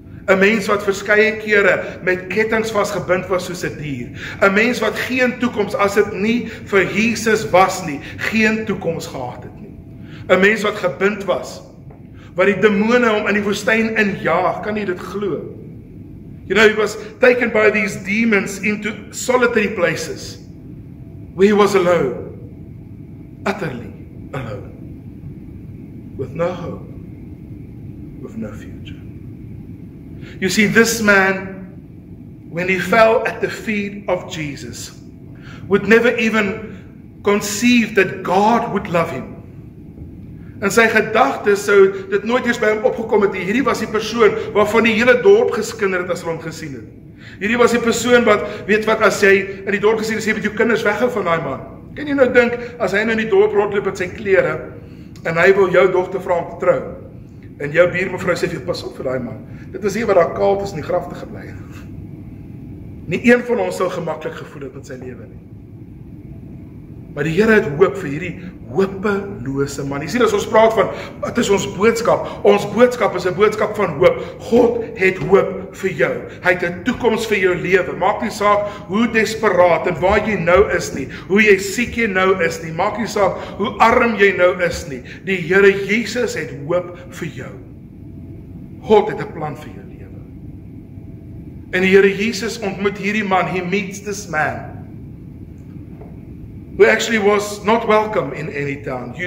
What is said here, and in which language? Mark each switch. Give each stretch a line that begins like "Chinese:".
Afrikaans: 'N mens wat verskeie kere met kettings vasgebind was soos 'n dier. 'N mens wat geen toekoms as dit nie vir Jesus was nie, geen toekoms gehad het nie. 'N mens wat gebind was, waar die demone om in die woestijn injaag, kan jy dit glo?
English: You know, he was taken by these demons into solitary places, where he was alone, utterly alone, with no hope, with no future. You see, this man, when he fell at the feet of Jesus, would never even conceive that God would love him.
Afrikaans: In sy gedagtes sou dit nooit eens by hom opgekom het. Hierdie was die persoon waarvan die hele dorp geskinder het as hulle hom gesien het. Hierdie was die persoon wat, weet wat, as jy in die dorp gesien het, sê met jou kinders weggehou van daai man. Kan jy nou dink, as hy nou in die dorp rondloop met sy klere, en hy wil jou dogter vra om te trou, en jou buurmevrou sê, pas op vir daai man, dit is hier waar daar kaal is in die graf te gebly. Nie een van ons sal gemaklik gevoel het met sy lewe nie. Maar die Here het hoop vir hierdie hopelose man. Jy sien, as ons praat van, wat is ons boodskap? Ons boodskap is 'n boodskap van hoop. God het hoop vir jou. Hy het 'n toekoms vir jou lewe. Maak nie saak hoe desperaat en waar jy nou is nie, hoe jy siek jy nou is nie, maak nie saak hoe arm jy nou is nie. Die Here Jesus het hoop vir jou. God het 'n plan vir jou lewe. En die Here Jesus ontmoet hierdie man.
English: He meets this man, who actually was not welcome in any town.